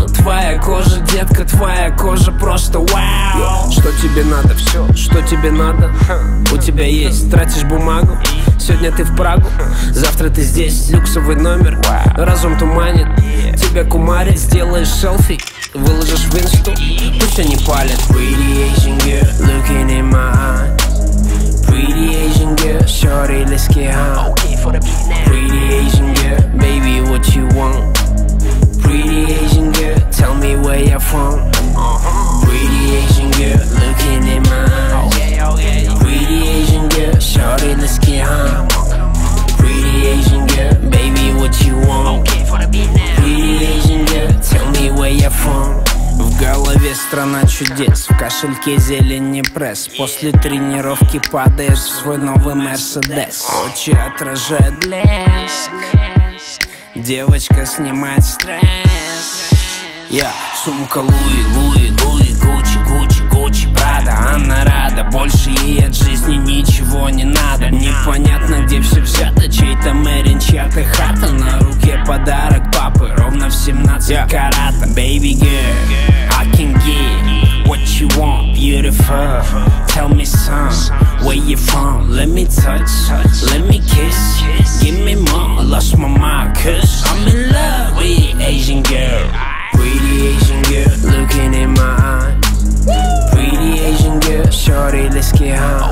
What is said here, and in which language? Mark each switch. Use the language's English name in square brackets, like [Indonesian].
[Russian] Твоя кожа, детка, твоя кожа просто вау. Что тебе надо, все, что тебе надо? У тебя есть, тратишь бумагу? Сегодня ты в Прагу, завтра ты здесь. Люксовый номер, разум туманит. Тебя кумарит, сделаешь селфи, выложишь в инсту, пусть они палят. [English] Pretty Asian girl, looking in my eyes. Pretty Asian girl, shorty, let's get high. Okay for the beat now. Pretty Asian girl, baby, what you want? Pretty Asian girl, tell me where you're from. Pretty Asian girl, looking in my eyes. Pretty Asian girl, shorty, let's get high. Pretty Asian girl, baby, what you want? Okay for the beat now. Pretty Asian girl, tell me where you're from. [Russian] В голове страна чудес, в кошельке зелени пресс. После тренировки падаешь в свой новый Мерседес. Очи отражают блеск. Девочка снимает стресс. Сумка Луи, Луи, Луи, Гуччи, Гуччи, Гуччи, Прада. Она рада, больше ей от жизни ничего не надо. Непонятно, где все взято, чей-то мэрин, чья-то хата. На руке подарок папы, ровно в 17 карата. [English] Baby girl, I can give what you want, beautiful. Tell me some, where you from? Let me touch, let me kiss. Give me more, lost my mind, cause I'm in love with Asian girl. Pretty Asian girl, looking in my eyes. Pretty Asian girl, shorty, let's get high.